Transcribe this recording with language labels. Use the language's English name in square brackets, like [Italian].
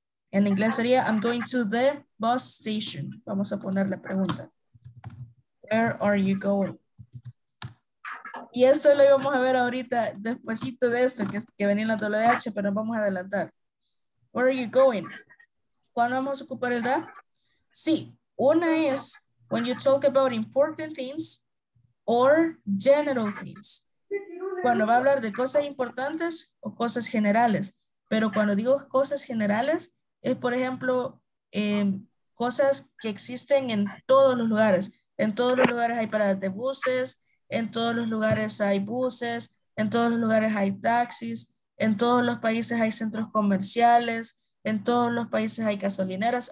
[Spanish] En inglés sería, [English] I'm going to the bus station. [Spanish] Vamos a poner la pregunta. [English] Where are you going? [Spanish] Y esto lo íbamos a ver ahorita, despuesito de esto, que venía la WH, pero vamos a adelantar. [English] Where are you going? [Spanish] ¿Cuándo vamos a ocupar el da? Sí, una es [English] when you talk about important things or general things. [Spanish] Cuando va a hablar de cosas importantes o cosas generales. Pero cuando digo cosas generales, es, por ejemplo, cosas que existen en todos los lugares. En todos los lugares hay paradas de buses, en todos los lugares hay buses, en todos los lugares hay taxis, en todos los países hay centros comerciales, en todos los países hay gasolineras.